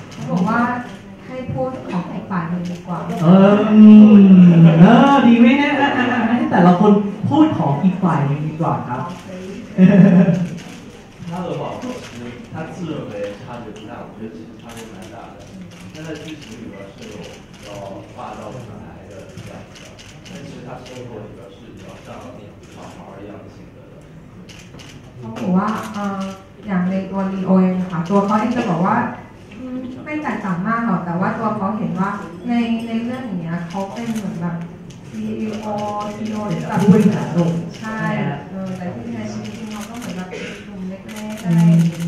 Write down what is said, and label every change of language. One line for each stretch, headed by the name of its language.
Thai: บอกว่าให้พูดของอีกฝ่ายหนึ่งดีกว่า ดีไหมนะให้แต่ละคนพูดของอีกฝ่ายหนึ่งดีกว่าครับ
Chinese: 他的话其实他自认为差距不大，我觉得其实差距蛮大的。但在剧情里边是有要霸道总裁的这样子的，但其实他生活里边是比较像小孩一样的性格的。他说啊，
Thai: อย่างในตัวลีโอเองค่ะตัวเขาเองจะบอกว่าไม่แตกต่างมากหรอกแต่ว่าตัวเขาเห็นว่าในเรื่องอย่างเงี้ยเขาเป็นเหมือนแบบลีโอแบบ ผู้จัด ใช่แต่ที่ในชีวิตจริงเขาก็เหมือนแบบหนุ่มเล็กๆอะไรอย่างเงี้ย